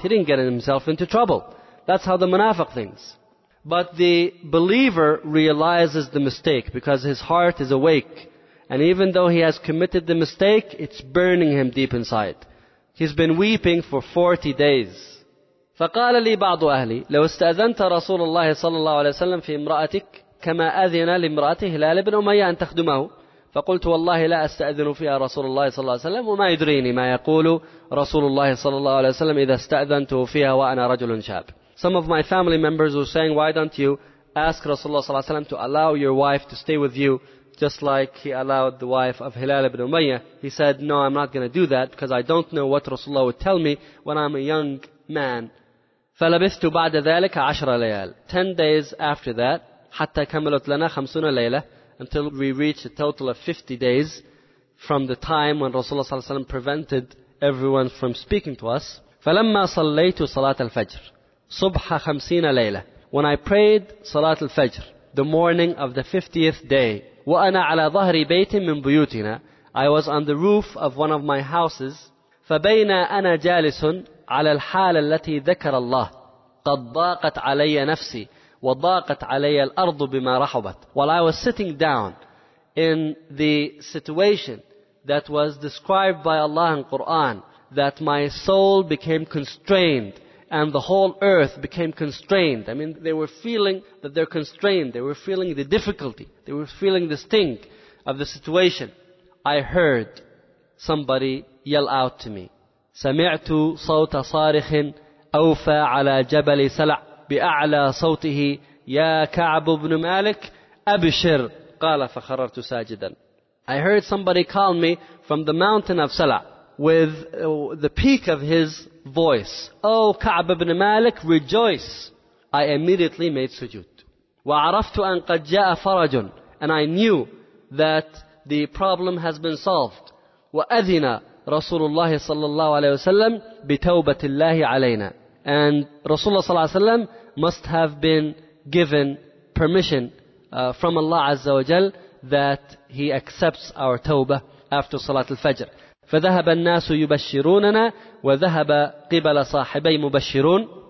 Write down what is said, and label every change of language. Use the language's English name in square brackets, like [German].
[English] He didn't get himself into trouble. That's how the munafiq thinks. But the believer realizes the mistake because his heart is awake. And even though he has committed the mistake, it's burning him deep inside. He's been weeping for 40 days. [Arabic] فَقَالَ لِي بَعْضُ أَهْلِي لَوْ اسْتَأَذَنْتَ رَسُولَ اللَّهِ صَلَّى اللَّهُ عَلَيْهِ وَسَلَّمْ فِي امْرَأَتِكَ كَمَا أَذِنَ لِمْرَأَتِ هِلَالِ بْنُ أُمَيَّةَ أَنْ تَخْدُمَهُ فقلت والله لا أستأذن فيها رسول الله صلى الله عليه وسلم وما يدريني ما يقول رسول الله صلى الله عليه وسلم إذا استأذنته فيها وأنا رجل شاب. [English] Some of my family members were saying, why don't you ask Rasulullah صلى الله عليه وسلم to allow your wife to stay with you just like he allowed the wife of Hilal ibn Umayyah. He said, no, I'm not going to do that because I don't know what Rasulullah would tell me when I'm a young man. [Arabic] فلبثت بعد ذلك عشر ليال. [English] 10 days after that, [Arabic] حتى كملت لنا خمسون ليلة. [English] Until we reached a total of 50 days from the time when Rasulullah صلى الله عليه وسلم prevented everyone from speaking to us. [Arabic] فَلَمَّا صَلَّيْتُ صَلَاةَ الْفَجْرِ صُبْحَ خَمْسِينَ لَيْلَةً. [English] When I prayed صَلَاةَ الْفَجْرِ, the morning of the 50th day, [Arabic] وَأَنَا عَلَى ظَهْرِ بَيْتٍ مِّن بُيُوتِنَا, [English] I was on the roof of one of my houses. [Arabic] فَبَيْنَا أَنَا جَالِسٌ عَلَى الْحَالَ الَّتِي ذَكَرَ اللَّهُ قَدْ ضَاقَتْ عَلَيَّ نَفْسِي وَضَاقَتْ عَلَيَّ الْأَرْضُ بِمَا رَحُبَتْ. [English] While I was sitting down in the situation that was described by Allah in Quran, that my soul became constrained and the whole earth became constrained. I mean, they were feeling that they're constrained. They were feeling the difficulty. They were feeling the sting of the situation. I heard somebody yell out to me, [Arabic] سَمِعْتُ صَوْتَ صَارِخٍ أَوْفَى عَلَى جَبَلِ سَلَعْ بأعلى صوته يا كعب بن مالك أبشر قال فخررت ساجدا. [English] I heard somebody call me from the mountain of Sala with the peak of his voice. Oh كعب بن مالك, rejoice. I immediately made sujood. [Arabic] وعرفت أن قد جاء فرج. [English] And I knew that the problem has been solved. [Arabic] وأذن رسول الله صلى الله عليه وسلم بتوبة الله علينا. [English] And Rasulullah صلى الله عليه وسلم must have been given permission from Allah Azza wa Jal that he accepts our tawbah after Salat al-Fajr. [Arabic] فَذَهَبَ النَّاسُ يُبَشِّرُونَنَا وَذَهَبَ قِبَلَ صَاحِبَي مُبَشِّرُونَ.